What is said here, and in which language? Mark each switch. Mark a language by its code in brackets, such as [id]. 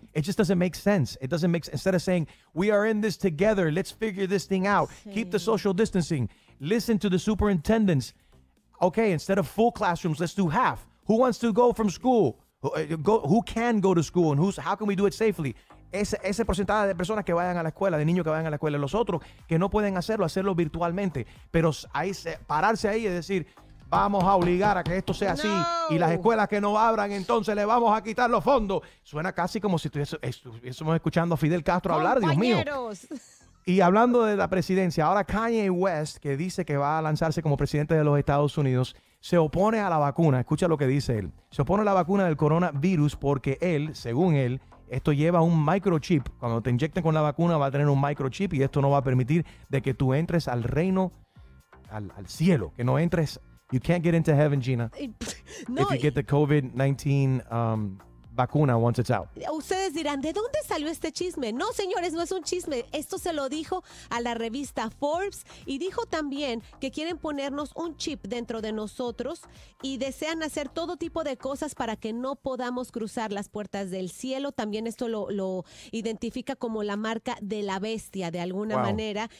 [en] It just doesn't make sense. It doesn't make sense. Instead of saying we are in this together, let's figure this thing out. Sí. Keep the social distancing. Listen to the superintendents. Okay, instead of full classrooms, let's do half. Who wants to go from school? Who can go to school and how can we do it safely? [es] Ese porcentaje de personas que vayan a la escuela, de niños que vayan a la escuela, los otros que no pueden hacerlo virtualmente. Pero ahí pararse ahí y decir, vamos a obligar a que esto sea así. Y las escuelas que no abran, entonces le vamos a quitar los fondos. Suena casi como si estuviésemos escuchando a Fidel Castro hablar, Dios mío. Y hablando de la presidencia, ahora Kanye West, que dice que va a lanzarse como presidente de los Estados Unidos, se opone a la vacuna. Escucha lo que dice él. Se opone a la vacuna del coronavirus porque él, según él, esto lleva un microchip. Cuando te inyecten con la vacuna va a tener un microchip y esto no va a permitir de que tú entres al reino, al cielo. Que no entres. [en] You can't get into heaven, Gina. [es] No, [en] if you get the COVID-19 vacuna once it's out. [es] Ustedes dirán, ¿de dónde salió este chisme? No, señores, no es un chisme. Esto se lo dijo a la revista Forbes y dijo también que quieren ponernos un chip dentro de nosotros y desean hacer todo tipo de cosas para que no podamos cruzar las puertas del cielo. También esto lo identifica como la marca de la bestia, de alguna manera.